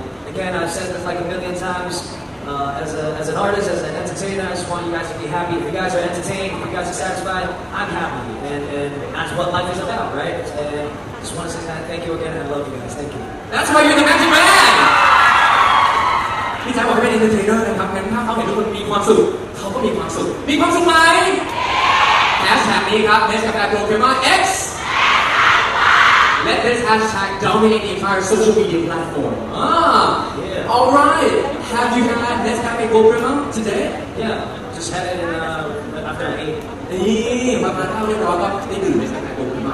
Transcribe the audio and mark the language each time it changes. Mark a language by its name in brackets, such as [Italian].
[English] Again, I've said this like a million times, as an artist, as an entertainer, I just want you guys to be happy. If you guys are entertained, if you guys are satisfied, I'm happy. And that's what life is about, right? And just want to say thank you again, and I love you guys. Thank you. That's why you're the magic man! [Thai] พี่ชายบอกเป็นเอนเตอร์เทนเนอร์นะครับงั้นถ้าเขาเห็นทุกคนมีความสุขเขาก็มีความสุขมีความสุขไหมแฮชแท็กนี้ครับเนสกาแฟโปรเกมอน X [English] Let this hashtag dominate the entire social media platform. All right. Have you had Nes Cafe Gold Prima today? Yeah, just had it after 8. [Thai] มาเล่าเรื่องราวกับได้ดื่มในสถานการณ์โกลด์พรีมา